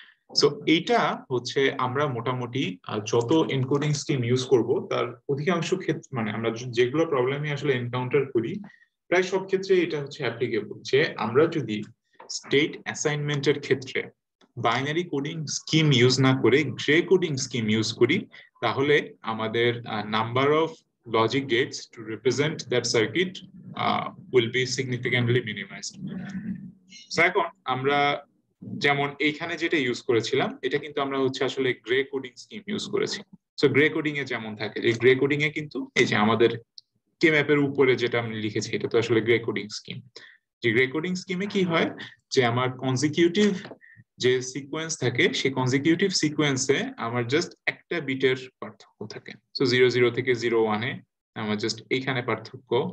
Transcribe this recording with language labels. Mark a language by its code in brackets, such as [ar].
[bn] So এটা হচ্ছে আমরা মোটামুটি যত এনকোডিং স্কিম ইউজ করব তার অধিকাংশ ক্ষেত্রে মানে আমরা যেগুলো প্রবলেমে আসলে এনকাউন্টার করি প্রায় সব ক্ষেত্রে এটা হচ্ছে অ্যাপ্লিকেবল, যে আমরা যদি স্টেট অ্যাসাইনমেন্টের ক্ষেত্রে বাইনারি কোডিং স্কিম ইউজ না করে গ্রে কোডিং স্কিম ইউজ করি তাহলে আমাদের number of [en] logic gates to represent that circuit will be significantly minimized. [bn] Second, amra যেমন এখানে যেটা ইউজ করেছিলাম এটা কিন্তু আমরা হচ্ছে আসলে গ্রে কোডিং স্কিম ইউজ করেছি সো গ্রে কোডিং এ যেমন থাকে যে গ্রে কোডিং এ কিন্তু এই যে আমাদের কে ম্যাপের উপরে যেটা আমি লিখেছি এটা তো আসলে গ্রে কোডিং স্কিম যে গ্রে কোডিং স্কিমে কি হয় যে আমার কনজিকিউটিভ যে সিকোয়েন্স থাকে সেই কনজিকিউটিভ সিকোয়েন্সে আমার জাস্ট একটা বিটের পার্থক্য থাকে সো 00 থেকে 01 এ আমার জাস্ট এইখানে পার্থক্য